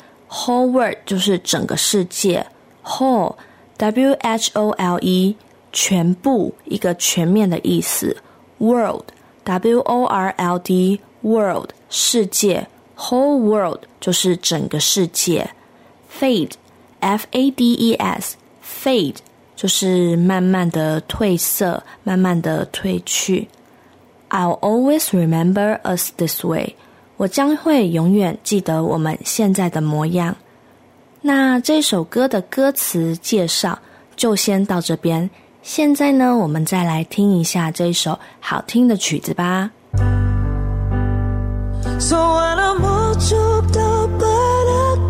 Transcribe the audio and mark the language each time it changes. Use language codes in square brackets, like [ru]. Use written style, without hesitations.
[en] Whole world [zh] 就是整个世界。 [en] Whole, W-H-O-L-E, [zh] 全部，一个全面的意思。 [en] World, W-O-R-L-D, world, [zh] 世界。 [en] Whole world [zh] 就是整个世界。 [en] Fade F-A-D-E-S Fade [zh] 就是慢慢的褪色，慢慢的褪去。 [en] I'll always remember us this way， [zh] 我将会永远记得我们现在的模样。那这首歌的歌词介绍就先到这边，现在呢我们再来听一下这首好听的曲子吧。 [en] So when I'm all choked up but I